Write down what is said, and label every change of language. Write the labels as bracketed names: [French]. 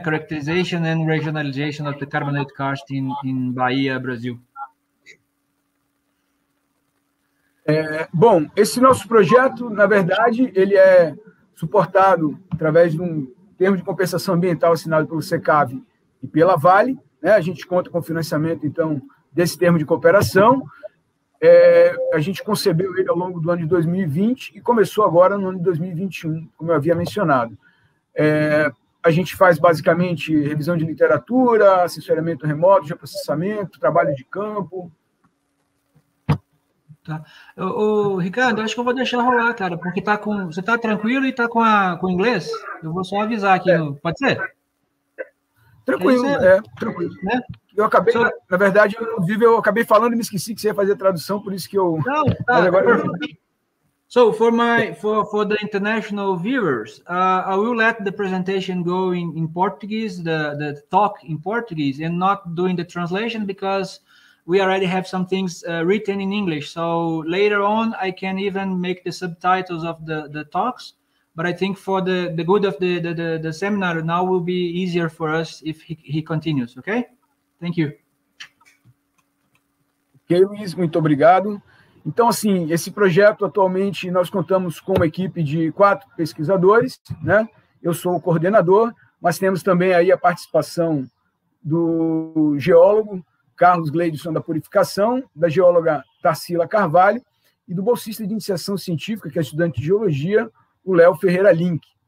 [English] Characterization and regionalization of the carbonate kart in Bahia, Brazil. [Portuguese] Bom, esse nosso projeto, na verdade, ele é suportado através de um termo de compensação ambiental assinado pelo SECAV e pela Vale, né? A gente conta com financiamento, então, desse termo de cooperação. A gente concebeu ele ao longo do ano de 2020 e começou agora no ano de 2021, como eu havia mencionado. A gente faz basicamente revisão de literatura, assessoramento remoto, geoprocessamento, trabalho de campo. Tá. Ô, Ricardo, acho que eu vou deixar rolar, cara, porque você está tranquilo e está com inglês? Eu vou só avisar aqui, pode ser? Tranquilo. Né? Eu acabei, na verdade, eu acabei falando e me esqueci que você ia fazer a tradução, por isso que eu... Não, tá. Mas agora... [English] So, for the international viewers, I will let the presentation go in Portuguese, the talk in Portuguese, and not doing the translation, because we already have some things written in English. So, later on, I can even make the subtitles of the talks. But I think for the good of the seminar, now will be easier for us if he continues, okay? Thank you. [Portuguese] Okay, Luiz, muito obrigado. Então, assim, esse projeto atualmente nós contamos com uma equipe de 4 pesquisadores, né? Eu sou o coordenador, mas temos também aí a participação do geólogo Carlos Gleidson da Purificação, da geóloga Tarsila Carvalho e do bolsista de iniciação científica, que é estudante de geologia, o Léo Ferreira Link.